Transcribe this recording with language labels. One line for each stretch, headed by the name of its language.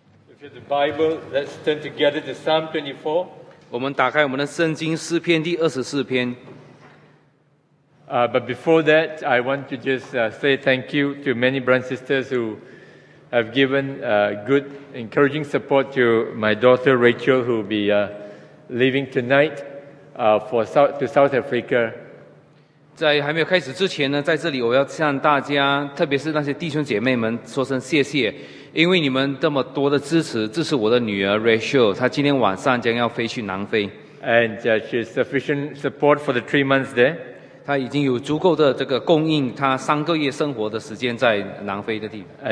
English: If you have the Bible, let's turn together to Psalm 24.
Chinese: 我们打开我们的圣经诗篇第二十四篇。
English: But before that, I want to just say thank you to many brothers and sisters who have given good encouraging support to my daughter Rachel, who will be leaving tonight to South Africa.
Chinese: 在还没有开始之前呢，在这里我要向大家，特别是那些弟兄姐妹们说声谢谢，因为你们这么多的支持，这是我的女儿 Rachel， 她今天晚上将要飞去南非。
English: And she's sufficient support for the 3 months there.
Chinese: 她已经有足够的这个供应她三个月生活的时间在南非的地方。